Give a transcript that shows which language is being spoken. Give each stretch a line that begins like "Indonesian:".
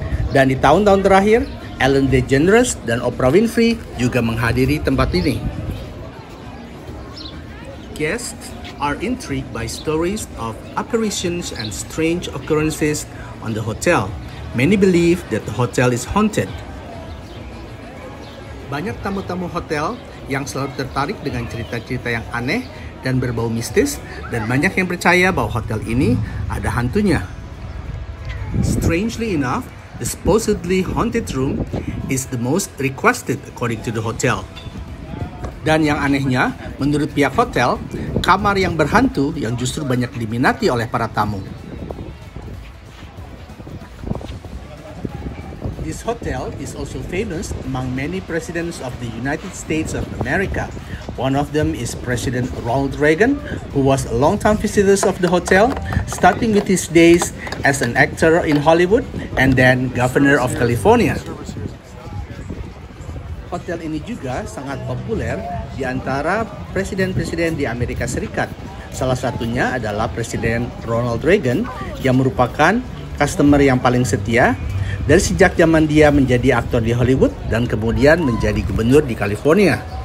Indonesian: Dan di tahun-tahun terakhir, Ellen DeGeneres dan Oprah Winfrey juga menghadiri tempat ini.
English: Guests are intrigued by stories of apparitions and strange occurrences on the hotel. Many believe that the hotel is haunted.
Indonesian: Banyak tamu-tamu hotel yang selalu tertarik dengan cerita-cerita yang aneh dan berbau mistis, dan banyak yang percaya bahwa hotel ini ada hantunya.
English: Strangely enough, the supposedly haunted room is the most requested according to the hotel.
Indonesian: Dan yang anehnya, menurut pihak hotel, kamar yang berhantu yang justru banyak diminati oleh para tamu.
English: This hotel is also famous among many presidents of the United States of America. One of them is President Ronald Reagan, who was a long-time visitor of the hotel, starting with his days as an actor in Hollywood and then governor of California.
Indonesian: Hotel ini juga sangat populer di antara presiden-presiden di Amerika Serikat. Salah satunya adalah Presiden Ronald Reagan, yang merupakan customer yang paling setia dari sejak zaman dia menjadi aktor di Hollywood dan kemudian menjadi gubernur di California.